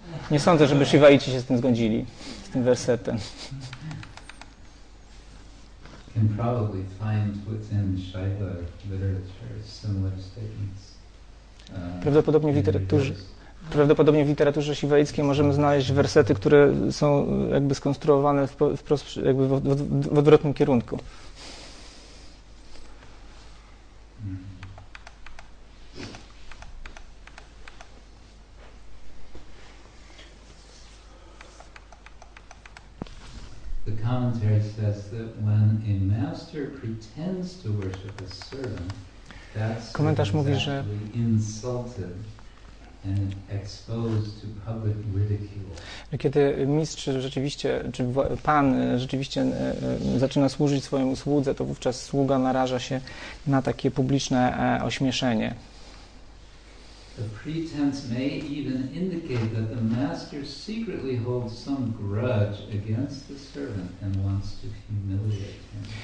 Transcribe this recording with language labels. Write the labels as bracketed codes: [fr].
[pl] Nie sądzę, żeby Shivaici się z tym zgodzili, z tym wersetem. [en] Can probably find within Shaiva literature similar statements. [pl] Prawdopodobnie w literaturze shivaickiej możemy znaleźć wersety, które są jakby skonstruowane wprost jakby w odwrotnym kierunku. [en] Commentary says that when a master pretends to worship a servant, [pl] komentarz mówi, że [en] insulted and exposed to public ridicule. [pl] Kiedy mistrz rzeczywiście, czy pan rzeczywiście zaczyna służyć swojemu słudze, to wówczas sługa naraża się na takie publiczne ośmieszenie. [en] The pretense may even indicate that the master secretly holds some grudge against the servant and wants to humiliate him.